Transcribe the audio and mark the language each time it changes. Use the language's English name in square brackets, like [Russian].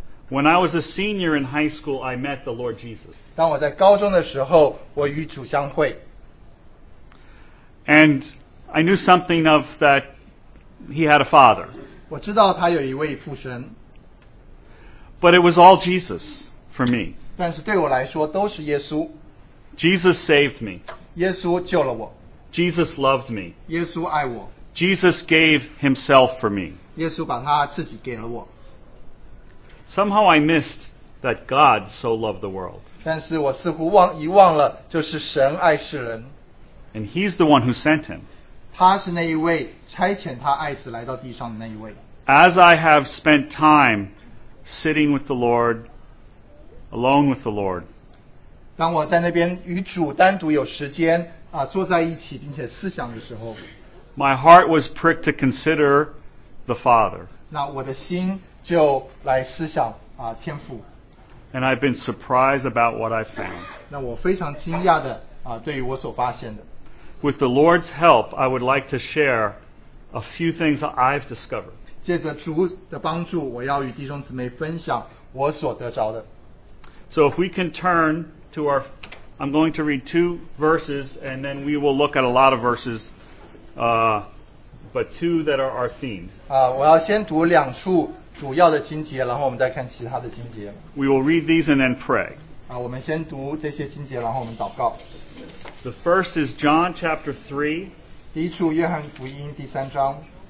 [English] When I was a senior in high school, I met the Lord Jesus. [Chinese] 当我在高中的时候，我与主相会。 [English] And I knew something of that he had a father. [Chinese] 我知道他有一位父神。 [English] But it was all Jesus for me. [Chinese] 但是对我来说都是耶稣。 [English] Jesus saved me. [Chinese] 耶稣救了我。 [English] Jesus loved me. [Chinese] 耶稣爱我。 [English] Jesus gave himself for me. [Chinese] 耶稣把他自己给了我。 [English] Somehow I missed that God so loved the world. [Chinese] 但是我似乎遗忘了就是神爱世人。 [English] And he's the one who sent him. [Chinese] 他是那一位差遣他爱子来到地上的那一位。 [English] As I have spent time sitting with the Lord, alone with the Lord. [Chinese] 当我在那边与主单独有时间啊坐在一起并且思想的时候。 [English] My heart was pricked to consider the Father. [Chinese] 那我的心就来思想啊，天父。 [English] And I've been surprised about what I found. [Chinese] 那我非常惊讶的啊，对于我所发现的。 [English] With the Lord's help, I would like to share a few things I've discovered. [Chinese] 借着主的帮助，我要与弟兄姊妹分享我所得着的。 [English] So if we can turn to our, I'm going to read two verses, and then we will look at a lot of verses. But two that are our theme. [Chinese] 我要先读两处主要的经节，然后我们再看其他的经节。 [English] We will read these and then pray. [Chinese] 我们先读这些经节，然后我们祷告。 [English] The first is John chapter 3. [Chinese] 第一处约翰福音第三章。